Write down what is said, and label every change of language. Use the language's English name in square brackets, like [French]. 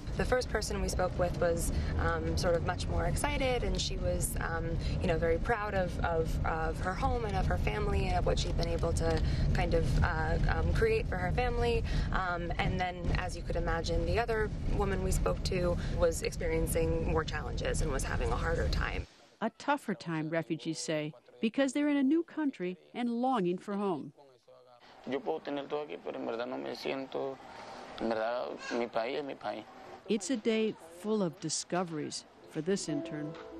[English] The first person we spoke with was sort of much more excited, and she was, you know, very proud of her home and of her family and of what she'd been able to kind of create for her family. And then, as you could imagine, the other woman we spoke to was experiencing more challenges and was having a harder time. A tougher time, refugees say, because they're in a new country and longing for home. [Spanish] Yo puedo tener todo aquí, pero en verdad no me siento, en verdad, mi país es mi país. [English] It's a day full of discoveries for this intern.